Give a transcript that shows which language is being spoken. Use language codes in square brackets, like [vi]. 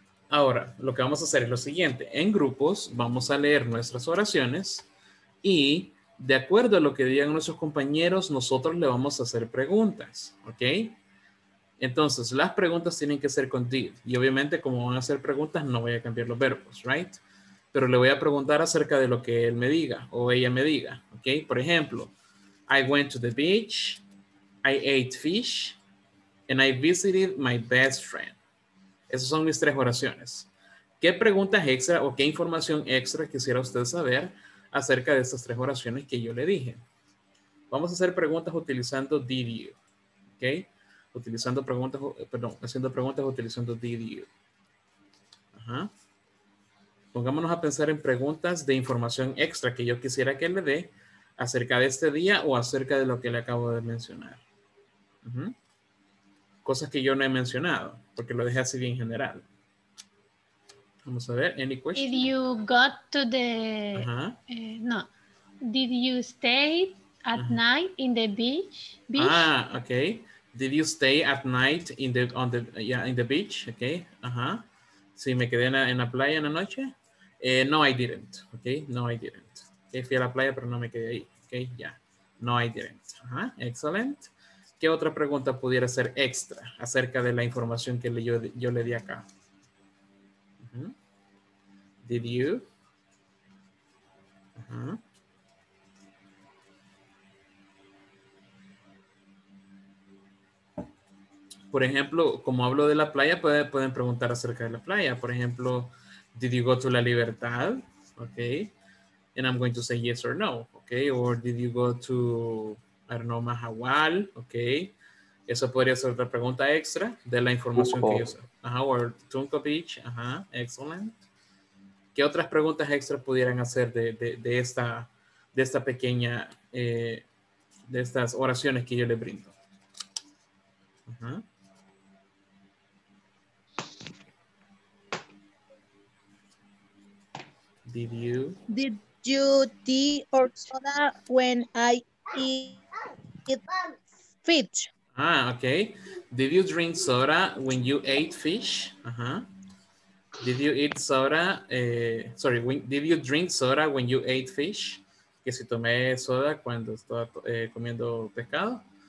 [es] Ahora, lo que vamos a hacer es lo siguiente. En grupos vamos a leer nuestras oraciones y de acuerdo a lo que digan nuestros compañeros, nosotros le vamos a hacer preguntas, ¿ok? Entonces, las preguntas tienen que ser con did. Y obviamente, como van a ser preguntas, no voy a cambiar los verbos, right? Pero le voy a preguntar acerca de lo que él me diga o ella me diga, ¿ok? Por ejemplo, [en] I went to the beach, I ate fish, and I visited my best friend. [es] Esas son mis tres oraciones. ¿Qué preguntas extra o qué información extra quisiera usted saber acerca de estas tres oraciones que yo le dije? Vamos a hacer preguntas utilizando did you, ¿ok? Utilizando preguntas, perdón, haciendo preguntas utilizando did you. Ajá. Pongámonos a pensar en preguntas de información extra que yo quisiera que le dé acerca de este día o acerca de lo que le acabo de mencionar. Uh-huh. Cosas que yo no he mencionado porque lo dejé así bien general. Vamos a ver, [en] any questions? Did you go to the... Uh-huh. No. Did you stay at uh-huh. night in the beach? Ah, okay. Did you stay at night in the, on the, yeah, in the beach? Okay, ajá. [es] Uh-huh. Sí, me quedé en la playa en la noche. [en] No, I didn't. Okay, no, I didn't. Okay, [es] fui a la playa, pero no me quedé ahí. [en] Okay, yeah. No, I didn't. Ajá, excellent. [es] ¿Qué otra pregunta pudiera ser extra acerca de la información que yo le di acá? Uh-huh. Did you? Uh-huh. Por ejemplo, como hablo de la playa, pueden preguntar acerca de la playa. Por ejemplo, [en] did you go to La Libertad? Okay. And I'm going to say yes or no. Okay. Or did you go to, I don't know, Mahahual? Okay. [es] Eso podría ser otra pregunta extra de la información Tunco. Que yo sé. [en] Ajá. Uh-huh. Or Tunco Beach. Ajá. Uh-huh. Excellent. [es] ¿Qué otras preguntas extra pudieran hacer de esta pequeña, de estas oraciones que yo le brindo? Ajá. Uh-huh. [en] Did you? Did you tea or soda when I eat fish? Ah, okay. Did you drink soda when you ate fish? Uh-huh. Did you eat soda? Sorry, did you drink soda when you ate fish? [es] Que si tomé soda cuando estaba comiendo pescado.